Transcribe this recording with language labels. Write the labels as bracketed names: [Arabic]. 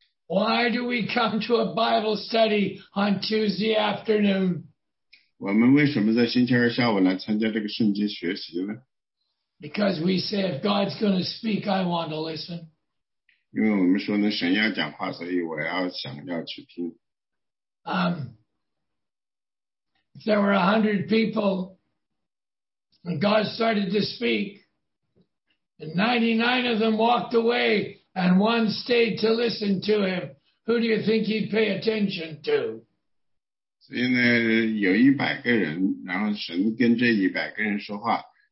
[English] Why do we come to a Bible study on Tuesday afternoon? [Chinese] 我们为什么在星期二下午来参加这个圣经学习呢？ [English] Because we say, if God's going to speak, I want to listen. [Chinese] 因为我们说呢，神要讲话，所以我要想要去听。 [English] If there were 100 people, and God started to speak, and 99 of them walked away, and one stayed to listen to him, who do you think he'd pay attention to? [Chinese] 所以呢，有100个人，然后神跟这100个人说话。